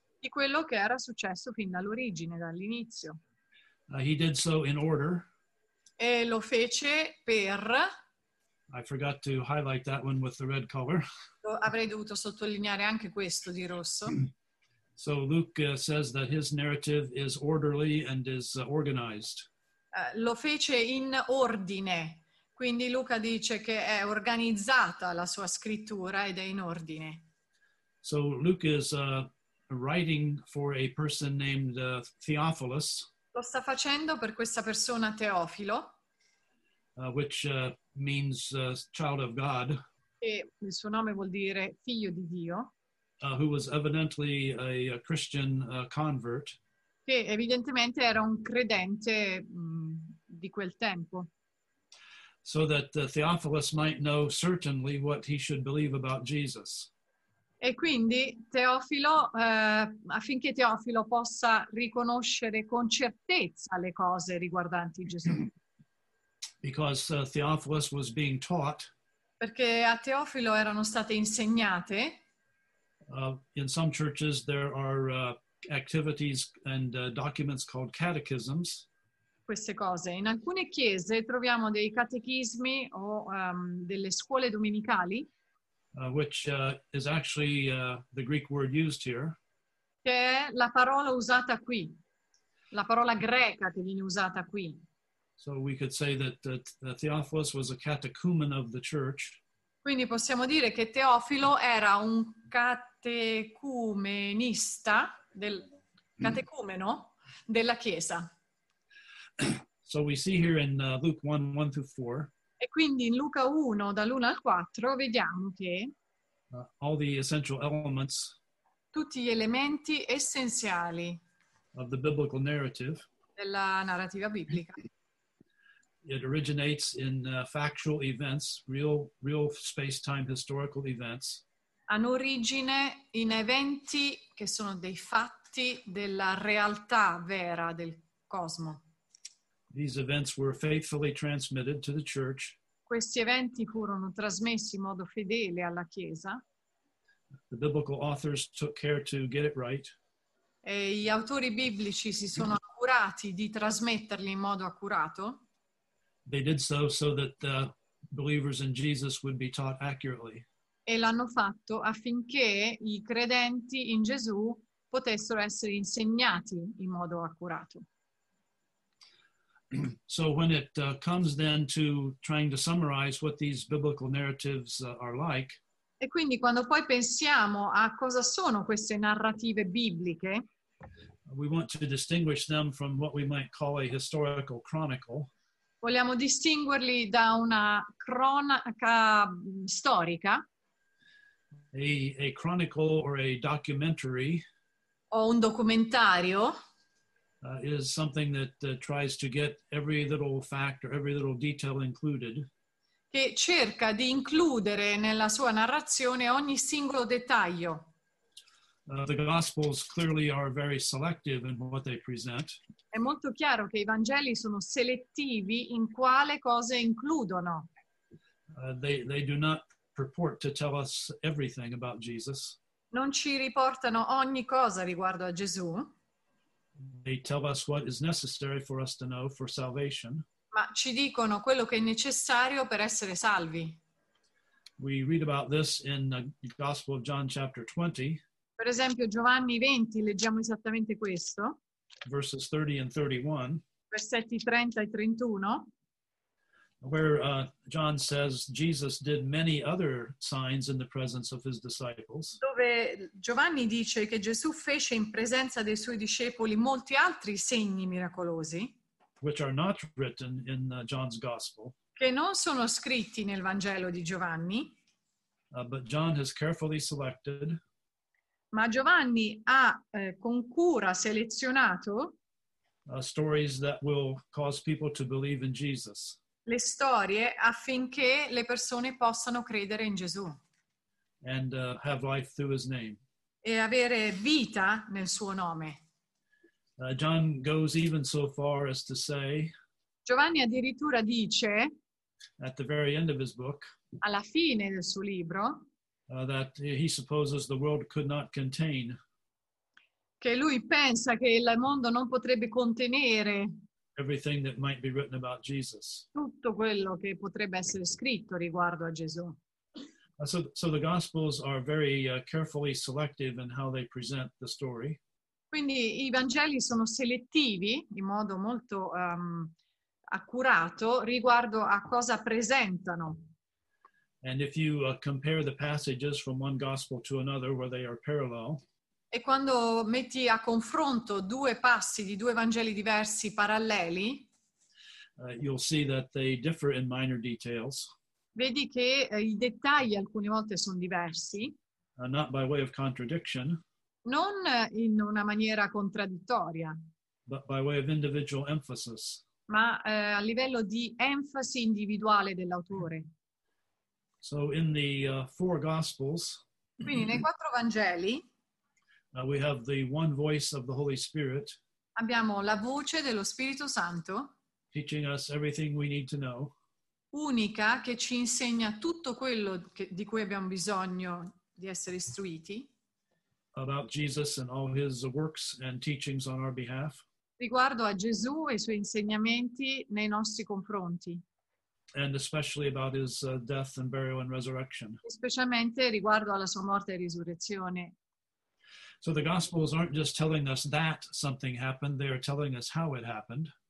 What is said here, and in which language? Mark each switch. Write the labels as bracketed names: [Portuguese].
[Italian] Di quello che era successo fin dall'origine, dall'inizio. [English] He did so in order. [Italian] E lo fece per. [English] I forgot to highlight that one with the red color. [Italian] Avrei dovuto sottolineare anche questo di rosso. [English] So Luke says that his narrative is orderly and is organized. [Italian] Lo fece in ordine. Quindi Luca dice che è organizzata la sua scrittura ed è in ordine. [English] So Luke is writing for a person named Theophilus. [Italian] Lo sta facendo per questa persona Teofilo. [English] Which means child of God. [Italian] E il suo nome vuol dire figlio di Dio. [English] Who was evidently a Christian convert. [Italian] Che evidentemente era un credente di quel tempo. [English] So that Theophilus might know certainly what he should believe about Jesus. [Italian] E quindi Teofilo, affinché Teofilo possa riconoscere con certezza le cose riguardanti Gesù. [English] Because Theophilus was being taught. [Italian] Perché a Teofilo erano state insegnate. [English] In some churches there are activities and documents called catechisms. [Italian] Queste cose. In alcune chiese troviamo dei catechismi o delle scuole domenicali. [English] Which is actually the Greek word used here. [Italian] Che è la parola usata qui. La parola greca che viene usata qui. [English] So we could say that Theophilus was a catechumen of the church. [Italian] Quindi possiamo dire che Teofilo era un catecumenista, del catecumeno della Chiesa. [English] So we see here in Luke 1, 1 through 4. [Italian] E quindi in Luca 1, dall'1 al 4, vediamo che [English] all the essential elements, [Italian] tutti gli elementi essenziali [English] of the biblical narrative, [Italian] della narrativa biblica. [English] It originates in factual events, real space-time historical events. [Italian] Hanno origine in eventi che sono dei fatti della realtà vera del cosmo. [English] These events were faithfully transmitted to the church. [Italian] Questi eventi furono trasmessi in modo fedele alla Chiesa. [English] The biblical authors took care to get it right. [Italian] E gli autori biblici si sono accurati di trasmetterli in modo accurato. [English] They did so that the believers in Jesus would be taught accurately. [Italian] E l'hanno fatto affinché i credenti in Gesù potessero essere insegnati in modo accurato. [English] So when it comes then to trying to summarize what these biblical narratives are like. [Italian] E quindi quando poi pensiamo a cosa sono queste narrative bibliche, [English] we want to distinguish them from what we might call a historical chronicle. [Italian] Vogliamo distinguerli da una cronaca storica. [English] A chronicle or a documentary. [Italian] O un documentario. [English] Is something that tries to get every little fact or every little detail included. [Italian] Che cerca di includere nella sua narrazione ogni singolo dettaglio. [English] The Gospels clearly are very selective in what they present. [Italian] È molto chiaro che i Vangeli sono selettivi in quale cose includono. [English] They do not purport to tell us everything about Jesus. [Italian] Non ci riportano ogni cosa riguardo a Gesù. [English] They tell us what is necessary for us to know for salvation. [Italian] Ma ci dicono quello che è necessario per essere salvi. [English] We read about this in the Gospel of John chapter 20. [Italian] Per esempio Giovanni 20, leggiamo esattamente questo. [English] Verses 30 and 31. [Italian] Versetti 30 e 31. [English] Where John says Jesus did many other signs in the presence of his disciples. [Italian] Dove Giovanni dice che Gesù fece in presenza dei suoi discepoli molti altri segni miracolosi. [English] Which are not written in John's Gospel. [Italian] Che non sono scritti nel Vangelo di Giovanni. [English] But John has carefully selected. [Italian] Ma Giovanni ha con cura selezionato [English] stories that will cause people to believe in Jesus. [Italian] Le storie affinché le persone possano credere in Gesù. [English] And have life through his name. [Italian] E avere vita nel suo nome. [English] John goes even so far as to say, [Italian] Giovanni addirittura dice, [English] at the very end of his book, [Italian] alla fine del suo libro, [English] That he supposes the world could not contain. [Italian] Che lui pensa che il mondo non potrebbe contenere. [English] Everything that might be written about Jesus. [Italian] Tutto quello che potrebbe essere scritto riguardo a Gesù. [English] So the Gospels are very carefully selective in how they present the story. [Italian] Quindi i Vangeli sono selettivi in modo molto accurato riguardo a cosa presentano. [English] And if you compare the passages from one gospel to another where they are parallel. [Italian] E quando metti a confronto due passi di due Vangeli diversi paralleli, [English] You'll see that they differ in minor details. [Italian] Vedi che i dettagli alcune volte sono diversi. [English] Not by way of contradiction. [Italian] Non in una maniera contraddittoria. [English] But by way of individual emphasis. [Italian] Ma a livello di enfasi individuale dell'autore. [English] So in the four Gospels. [Italian] Quindi nei quattro Vangeli. [English] We have the one voice of the Holy Spirit. [Italian] Abbiamo la voce dello Spirito Santo. [English] Teaching us everything we need to know. [Italian] Unica, che ci insegna tutto quello che, di cui abbiamo bisogno di essere istruiti. [English] About Jesus and all his works and teachings on our behalf. [Italian] Riguardo a Gesù e i suoi insegnamenti nei nostri confronti. [English] And especially about his death and burial and resurrection. [Italian] Specialmente riguardo alla sua morte e risurrezione. [English] So the Gospels aren't just telling us that something happened, they are telling us how it happened.